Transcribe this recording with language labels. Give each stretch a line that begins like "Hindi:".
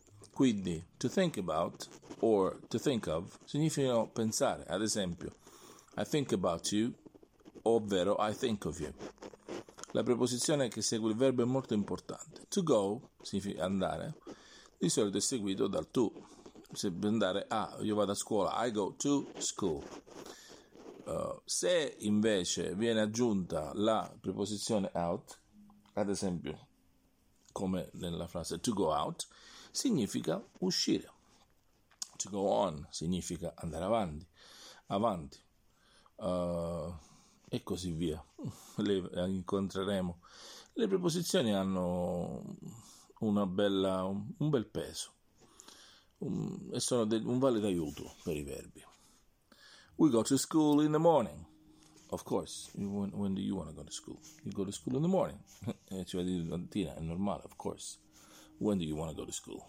Italian: Quindi,
English: to think about or to think of
Italian: significa pensare. Ad esempio,
English: I think about you,
Italian: ovvero
English: I think of you.
Italian: La preposizione che segue il verbo è molto importante.
English: To go
Italian: significa andare. Di solito è seguito dal to. Se andare a, io vado a scuola,
English: I go to school.
Italian: Se invece viene aggiunta la preposizione out, ad esempio, come nella frase
English: to go out,
Italian: significa uscire.
English: To go on
Italian: significa andare avanti. E così via. Le incontreremo. Le preposizioni hanno un bel peso. E sono un valido aiuto per i verbi.
English: We go to school in the morning. Of course, when do you want to go to school? You go to school in the morning.
Italian: Cioè di mattina, è normale,
English: of course. When do you want to go to school?